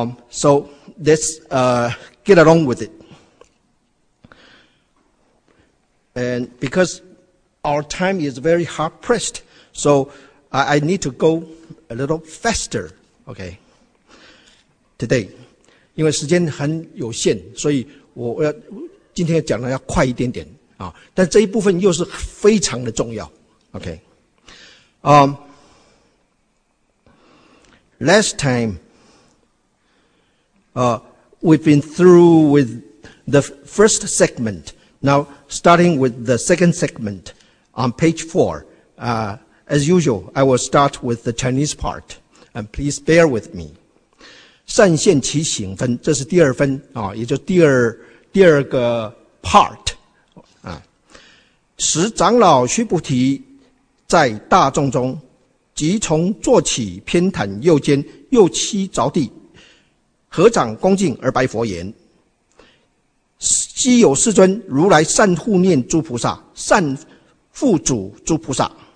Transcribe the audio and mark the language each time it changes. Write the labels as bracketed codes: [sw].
[en] So let's get along with it. And because our time is very hard pressed, so I need to go a little faster, okay, today. [zh] 因为时间很有限，所以我要今天讲的要快一点点啊。但这一部分又是非常的重要 ，OK。 [en] Last time, we've been through with the first segment. Now, starting with the second segment on page 4, as usual, I will start with the Chinese part, and please bear with me. [zh] 善现其行分，这是第二分啊，也就第二个 part 啊。十长老须菩提在大众中，即从坐起，偏袒右肩，右膝着地，合掌恭敬而白佛言：昔有世尊，如来善护念诸菩萨，善护主诸菩萨。